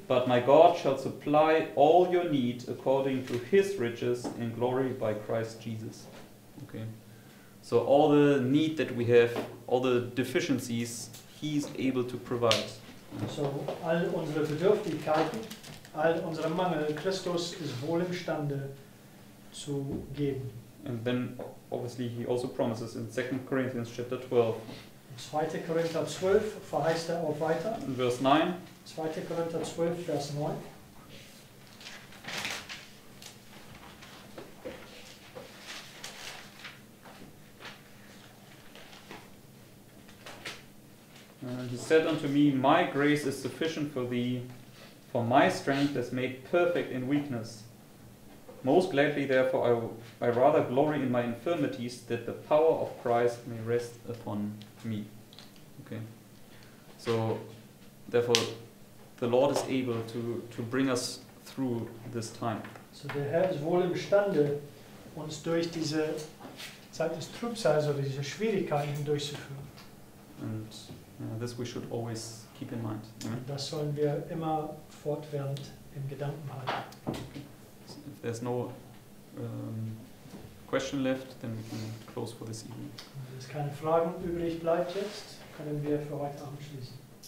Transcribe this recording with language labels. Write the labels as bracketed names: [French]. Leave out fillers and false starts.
[English] But my God shall supply all your need according to his riches in glory by Christ Jesus. Okay. So all the need that we have, all the deficiencies, he is able to provide. [German] So, all unsere Bedürftigkeiten, all unsere Mangel, Christus ist wohl imstande zu geben. [English] And then, obviously, he also promises in 2 Corinthians chapter 12. [German] 2. Korinther 12 verheißt er auch weiter. [English] In verse 9. [German] 2. Korinther 12, Vers 9. [English] He said unto me, my grace is sufficient for thee, for my strength is made perfect in weakness. Most gladly, therefore, I rather glory in my infirmities, that the power of Christ may rest upon me. Okay. So, therefore, the Lord is able to bring us through this time. [German] So, der Herr ist wohl imstande, uns durch diese Zeit des Trübsals oder diese Schwierigkeiten durchzuführen. [English] And this we should always keep in mind. Yeah? [German] Das sollen wir immer fortwährend im Gedanken halten. [English] So if there's no question left, then we can close for this evening. [German] Wenn es keine Fragen übrig bleibt jetzt, können wir für heute abschließen.